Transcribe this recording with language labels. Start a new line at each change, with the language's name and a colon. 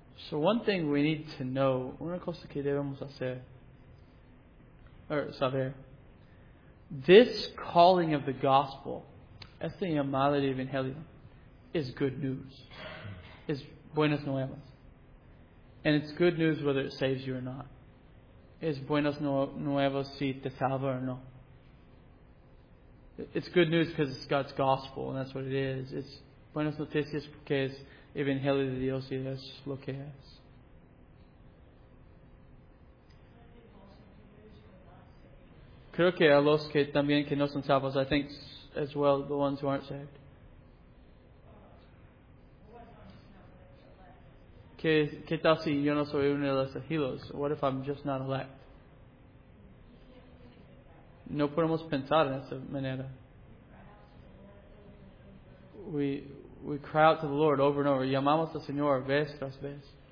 English: So one thing we need to know,
Spanish: una cosa que debemos hacer, saber,
English: this calling of the gospel,
Spanish: esta llamada de evangelio,
English: is good news, is
Spanish: buenas nuevas.
English: And it's good news whether it saves you or not.
Spanish: Es buenas nuevas si te salva o no.
English: It's good news because it's God's gospel, and that's what it is.
Spanish: It's buenas noticias porque es evangelio de Dios y es lo que es. Creo que a los que también que no son salvos,
English: I think as well the ones who aren't saved.
Spanish: ¿Qué tal si yo no soy uno de los elegidos?
English: What if I'm just not elect?
Spanish: No podemos pensar en esa manera.
English: We cry out to the Lord over and over.
Spanish: Llamamos al Señor vez tras vez.